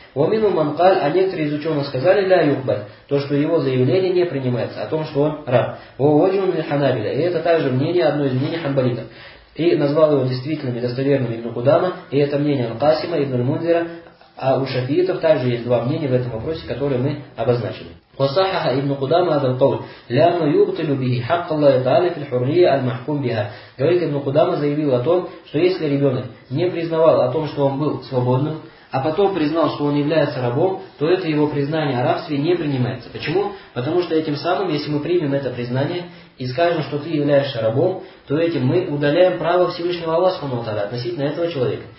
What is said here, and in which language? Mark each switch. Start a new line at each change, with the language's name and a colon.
Arabic: Вамину манкаль,
Russian: а некоторые из ученых сказали ля юхбаль, то, что его заявление не принимается, о том, что он раб.
Arabic: Вауаджун и ханабиля,
Russian: и это также мнение, одно из мнений ханбалитов. И назвал его действительным и достоверным ибн Кудама, и это мнение Аль-Касима, ибн Мундзира, а у шафиитов также есть два мнения в этом вопросе, которые мы обозначили.
Arabic: وصحح ابن قدامة هذا القول لأنه يبطل به حق الله تعالى في الحرية المحكوم بها.
Russian: Говорит, ابن Кудама заявил о том, что если ребенок не признавал о том, что он был свободным, а потом признал, что он является рабом, то это его признание о рабстве не принимается. Почему? Потому что этим самым, если мы примем это признание и скажем, что ты являешься рабом, то этим мы удаляем право Всевышнего Аллаха относительно этого человека.